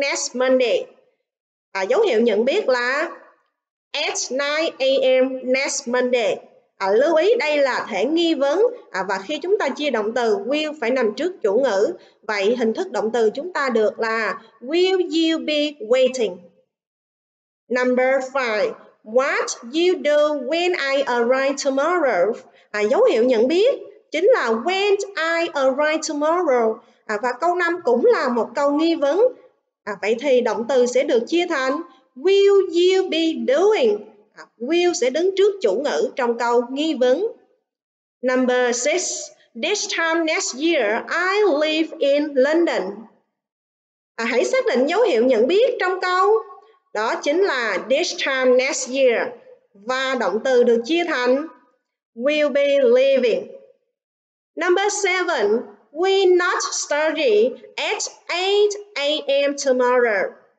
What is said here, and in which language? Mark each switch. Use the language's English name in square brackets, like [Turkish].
[English] next Monday. [Vietnamese] Dấu hiệu nhận biết là [English] at 9 a.m. next Monday. [Vietnamese] Lưu ý đây là thể nghi vấn và khi chúng ta chia động từ will phải nằm trước chủ ngữ. Vậy hình thức động từ chúng ta được là [English] will you be waiting? Number 5. What you do when I arrive tomorrow? [Vietnamese] Dấu hiệu nhận biết chính là [English] when I arrive tomorrow. [Vietnamese] Và câu 5 cũng là một câu nghi vấn. Vậy thì động từ sẽ được chia thành [English] will you be doing? [Vietnamese] Will sẽ đứng trước chủ ngữ trong câu nghi vấn. [English] Number 6. This time next year, I live in London. [Vietnamese] Hãy xác định dấu hiệu nhận biết trong câu. Đó chính là [English] this time next year. [Vietnamese] Và động từ được chia thành [English] will be living. Number 7. Will not study at 8 a.m. tomorrow.